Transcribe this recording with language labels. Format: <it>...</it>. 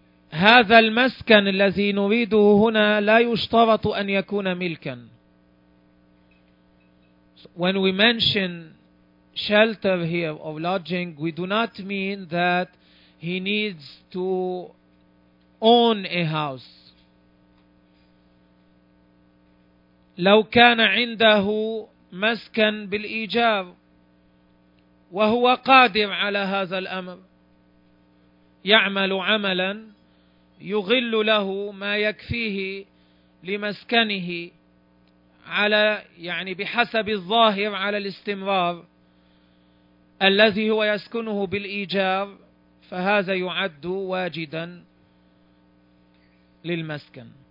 <ar>هذا المسكن الذي نريده هنا لا يشترط أن يكون ملكا.</ar> <en>When we mention shelter here or lodging, we do not mean that he needs to own a house.</en> <ar>لو كان عنده مسكن بالإيجار وهو قادر على هذا الأمر يعمل عملا يغل له ما يكفيه لمسكنه على يعني بحسب الظاهر على الاستمرار الذي هو يسكنه بالإيجار فهذا يعد واجدا للمسكن.</ar>